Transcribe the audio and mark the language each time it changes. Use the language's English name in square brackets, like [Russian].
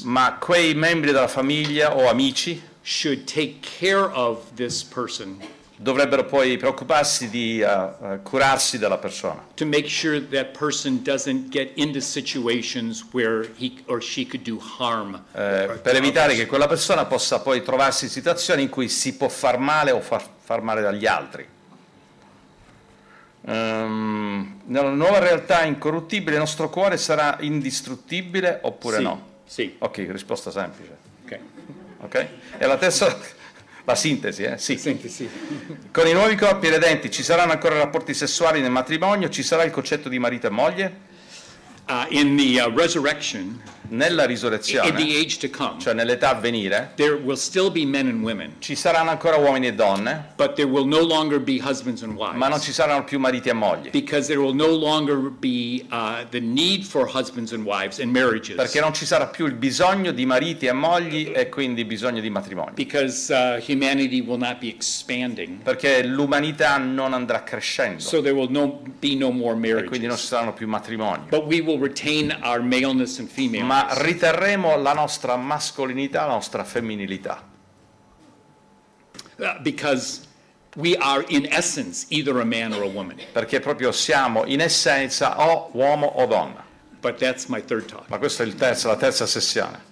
[Italian] ma quei membri della famiglia o amici, [English] should take care of this person. [Italian] Dovrebbero poi preoccuparsi di curarsi della persona. [English] To make sure that person doesn't get into situations where he or she could do harm. [Italian] Per evitare che quella persona possa poi trovarsi in situazioni in cui si può far male o far male dagli altri. Nella nuova realtà incorruttibile il nostro cuore sarà indistruttibile oppure sì, no? Sì. Ok, risposta semplice. Ok. Ok? E la terza, la sintesi, eh? Sì. Sintesi. Con i nuovi corpi redenti ci saranno ancora rapporti sessuali nel matrimonio? Ci sarà il concetto di marito e moglie? [English] In the resurrection. [Italian] Nella risurrezione. [English] In the age to come. [Italian] Cioè nell'età a venire. [English] There will still be men and women. [Italian] Ci saranno ancora uomini e donne. [English] But there will no longer be husbands and wives. [Italian] Ma non ci saranno più mariti e mogli. [English] Because there will no longer be the need for husbands and wives and marriages. [Italian] Perché non ci sarà più il bisogno di mariti e mogli e quindi bisogno di matrimoni. [English] Because humanity will not be expanding. [Italian] Perché l'umanità non andrà crescendo. [English] So there will no be no more marriages. [Italian] E quindi non ci saranno più matrimoni. [English] But we will retain our maleness and femaleness. [Italian] Ma riterremo la nostra mascolinità, la nostra femminilità. [English] Because we are in essence either a man or a woman. [Italian] Perché proprio siamo in essenza o uomo o donna. [English] But that's my third talk. [Italian] Ma questa è la terza sessione.